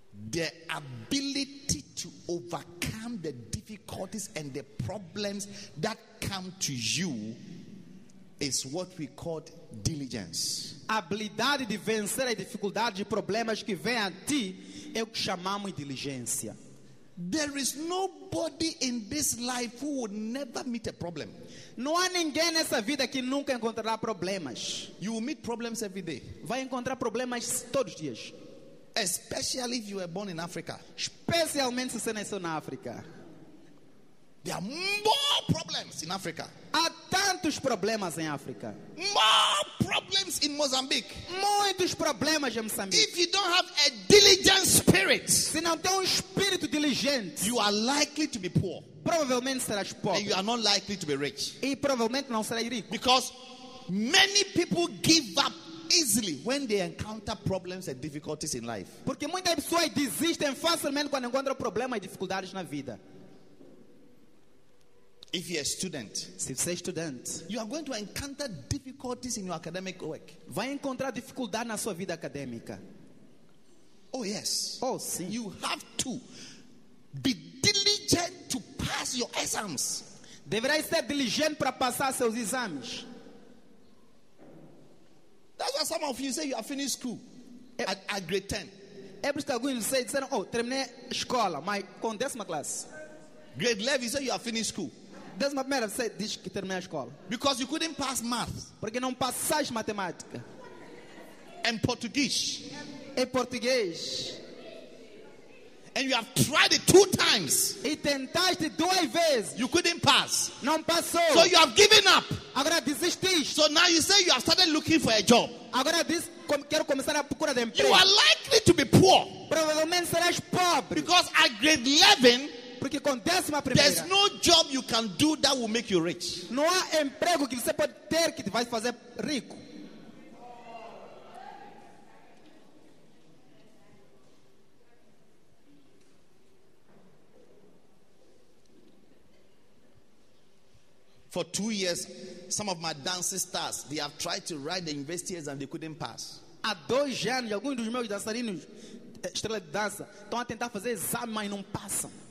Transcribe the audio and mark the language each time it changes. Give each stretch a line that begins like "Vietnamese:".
English: The ability to overcome the difficulties and the problems that come to you is what we call diligence.
Portuguese: A habilidade de vencer as dificuldades e problemas que vêm a ti é o que chamamos de diligência.
English: There is nobody in this life who will never meet a problem.
Portuguese: Não há ninguém nessa vida que nunca encontrará problemas.
English: You will meet problems every day.
Portuguese: Vai encontrar problemas todos os dias.
English: Especially if you were born in Africa.
Portuguese: Especialmente se você nasceu na África.
English: There are more problems in Africa.
Portuguese: Há tantos problemas em África.
English: More problems in Mozambique.
Portuguese: Muitos problemas em Moçambique.
English: If you don't have a diligent spirit,
Portuguese: se não tem espírito diligente,
English: you are likely to be poor.
Portuguese: Provavelmente serás pobre.
English: And you are not likely to be rich.
Portuguese: E provavelmente não serás rico.
English: Because many people give up easily when they encounter problems and difficulties in life.
Portuguese: Porque muitas pessoas desistem facilmente quando encontram problemas e dificuldades na vida.
English: If you're a student,
Portuguese: se você é estudante,
English: you are going to encounter difficulties in your academic work.
Portuguese: Vai encontrar dificuldade na sua vida acadêmica.
English: Oh yes.
Portuguese: Oh sim.
English: You have to be diligent to pass your exams.
Portuguese: Deverá ser diligente para passar seus exames.
English: That's why some of you say you have finished school at grade 10. Every school you say, oh,
Portuguese: terminé escola,
English: my décima class. Grade 11, you say you have finished school. That's not matter. Say this
Portuguese: que terminé escola.
English: Because you couldn't pass math.
Portuguese: Porque não passas matemática.
English: And Portuguese.
Portuguese: E português.
English: And you have tried it two times.
Portuguese: E tentaste duas vezes.
English: You couldn't pass.
Portuguese: Não passou.
English: So you have given up.
Portuguese: Agora desististe.
English: So now you say you have started looking for a job.
Portuguese: Agora diz, quero começar a procurar de emprego.
English: You are likely to be poor.
Portuguese: Provavelmente serás pobre.
English: Because at grade 11,
Portuguese: porque com décima primeira,
English: there's no job you can do that will make you rich.
Portuguese: Não há emprego que você pode ter que te vai fazer rico.
English: For 2 years, some of my dancing stars, they have tried to write the university exam and they couldn't pass.
Portuguese: Há dois anos, alguns dos meus dançarinos, estrela de dança, estão a tentar fazer exame, mas não passam.